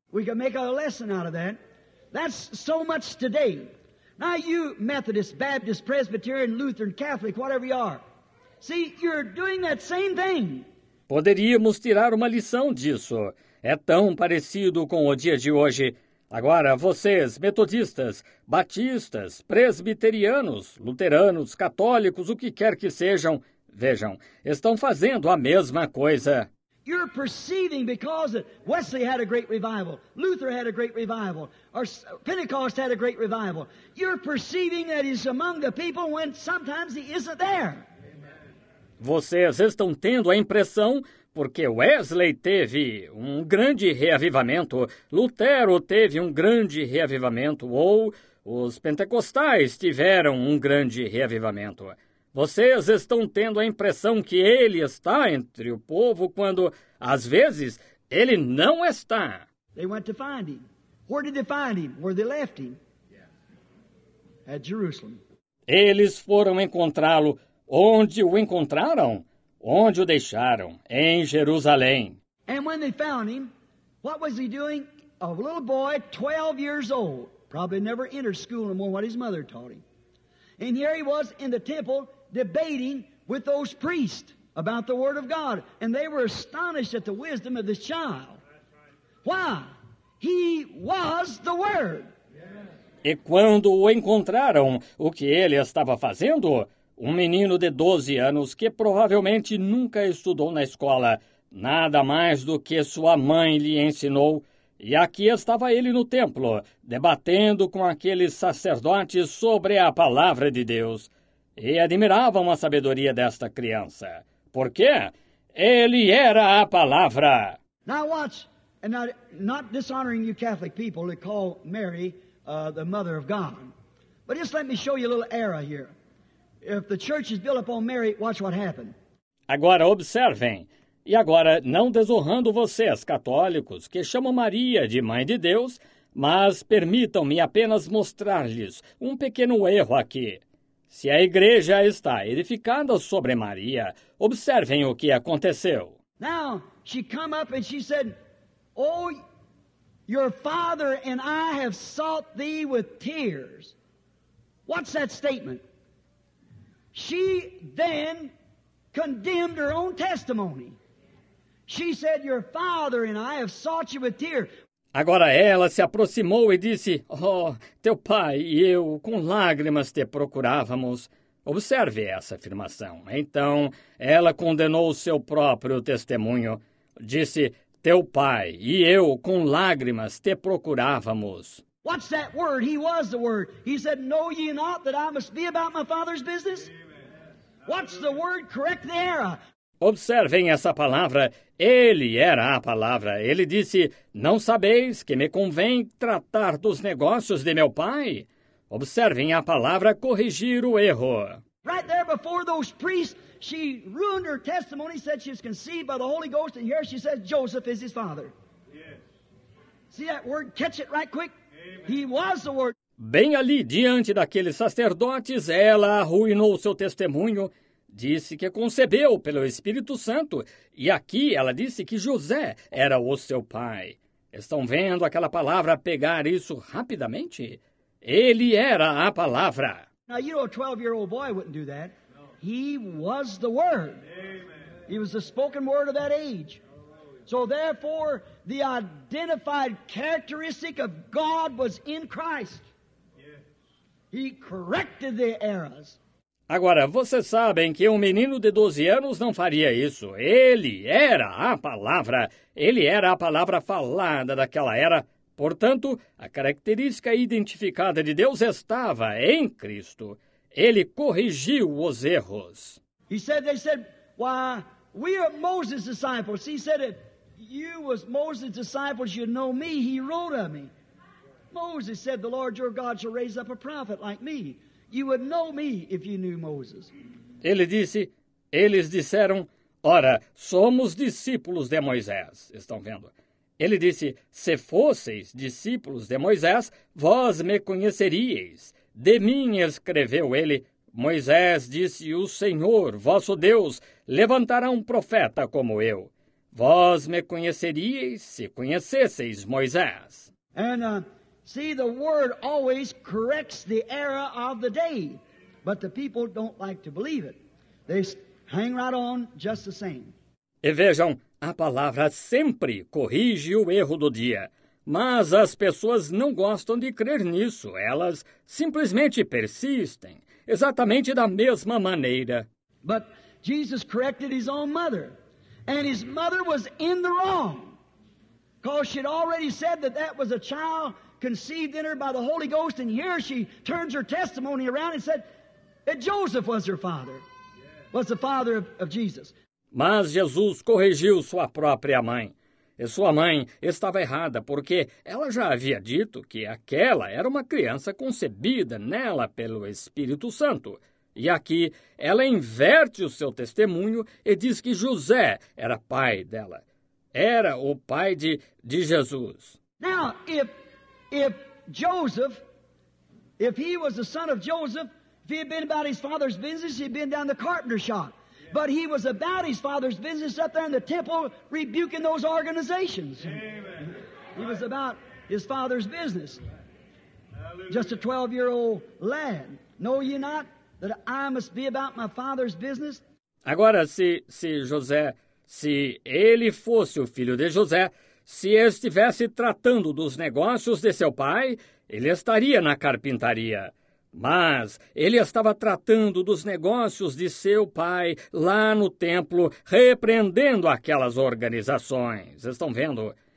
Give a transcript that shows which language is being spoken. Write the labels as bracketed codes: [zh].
[en] We can make a lesson out of that. That's so much today. Now you, Methodist, Baptist, Presbyterian, Lutheran, Catholic, whatever you are. See, you're doing that same thing. [pt] Poderíamos tirar uma lição disso. É tão parecido com o dia de hoje. Agora, vocês, metodistas, batistas, presbiterianos, luteranos, católicos, o que quer que sejam, vejam, estão fazendo a mesma coisa. [en] You're perceiving because Wesley had a great revival, Luther had a great revival, or Pentecost had a great revival. You're perceiving that he's among the people when sometimes he isn't there. [pt] Vocês estão tendo a impressão, porque Wesley teve um grande reavivamento, Lutero teve um grande reavivamento, ou os pentecostais tiveram um grande reavivamento. Vocês estão tendo a impressão que ele está entre o povo quando, às vezes, ele não está. [en] They went to find him. Where did they find him? Where they left him? Yeah. At Jerusalem. [pt] Eles foram encontrá-lo. Onde o encontraram? Onde o deixaram? Em Jerusalém. [en] And when they found him, what was he doing? A little boy, 12 years old, probably never entered school anymore, what his mother taught him. And here he was in the temple, debating with those priests about the word of God. And they were astonished at the wisdom of this child. Why? He was the word. [pt] E quando o encontraram, o que ele estava fazendo? Um menino de 12 anos que provavelmente nunca estudou na escola, nada mais do que sua mãe lhe ensinou. E aqui estava ele no templo, debatendo com aqueles sacerdotes sobre a palavra de Deus. E admiravam a sabedoria desta criança. Por quê? Ele era a palavra. [en] Now watch, and not dishonoring you Catholic people that call Mary the mother of God. But just let me show you a little error here. If the church is built upon Mary, watch what happened. [pt] Agora observem. E agora, não desonrando vocês, católicos, que chamam Maria de Mãe de Deus, mas permitam-me apenas mostrar-lhes um pequeno erro aqui. Se a igreja está edificada sobre Maria, observem o que aconteceu. [en] Now, she come up and she said, oh, your father and I have sought thee with tears. What's that statement? She then condemned her own testimony. She said, your father and I have sought you with tears. [pt] Agora ela se aproximou e disse, oh, teu pai e eu com lágrimas te procurávamos. Observe essa afirmação. Então, ela condenou o seu próprio testemunho. Disse, teu pai e eu com lágrimas te procurávamos. [en] What's that word? He was the word. He said, know ye not that I must be about my father's business? What's the word? Correct the era. [pt] Observem essa palavra, ele era a palavra. Ele disse, não sabeis que me convém tratar dos negócios de meu pai? Observem a palavra, corrigir o erro. [en] Right there before those priests, she ruined her testimony, said she was conceived by the Holy Ghost, and here she says, Joseph is his father. Yes. See that word? Catch it right quick. Amen. He was the word. [pt] Bem ali, diante daqueles sacerdotes, ela arruinou seu testemunho. Disse que concebeu pelo Espírito Santo, e aqui ela disse que José era o seu pai. Estão vendo aquela palavra pegar isso rapidamente? Ele era a palavra. [en] Now, you know, a 12-year-old boy wouldn't do that. He was the Word. Amen. He was the spoken Word of that age. So, therefore, the identified characteristic of God was in Christ. He corrected the errors. [pt] Agora, vocês sabem que um menino de 12 anos não faria isso. Ele era a palavra. Ele era a palavra falada daquela era. Portanto, a característica identificada de Deus estava em Cristo. Ele corrigiu os erros. [en] He said, they said, why, we are Moses' disciples. He said, if you was Moses' disciples, you'd know me. He wrote of me. Moses said, the Lord your God shall raise up a prophet like me. You would know me if you knew Moses. [pt] Ele disse, eles disseram, ora, somos discípulos de Moisés. Estão vendo? Ele disse, se fosseis discípulos de Moisés, vós me conheceríeis. De mim escreveu ele, Moisés disse, o Senhor, vosso Deus, levantará um profeta como eu. Vós me conheceríeis se conhecesseis Moisés. [en] See, the word always corrects the error of the day, but the people don't like to believe it. They hang right on just the same. [pt] E vejam, a palavra sempre corrige o erro do dia, mas as pessoas não gostam de crer nisso. Elas simplesmente persistem, exatamente da mesma maneira. [en] But Jesus corrected his own mother, and his mother was in the wrong, because she'd already said that that was a child conceived in her by the Holy Ghost, and here she turns her testimony around and said that Joseph was her father, was the father of Jesus. [pt] Mas Jesus corrigiu sua própria mãe. E sua mãe estava errada, porque ela já havia dito que aquela era uma criança concebida nela pelo Espírito Santo. E aqui ela inverte o seu testemunho e diz que José era pai dela. Era o pai de Jesus. [en] Now, if Joseph, if he was the son of Joseph, if he had been about his father's business, he'd been down the carpenter shop. Yeah. But he was about his father's business up there in the temple rebuking those organizations. Amen. He was about his father's business. Hallelujah. Just a 12-year-old lad. Know ye not that I must be about my father's business? [pt] Agora, se José, se ele fosse o filho de José, se estivesse tratando dos negócios de seu pai, ele estaria na carpintaria. Mas ele estava tratando dos negócios de seu pai lá no templo, repreendendo aquelas organizações. Estão vendo?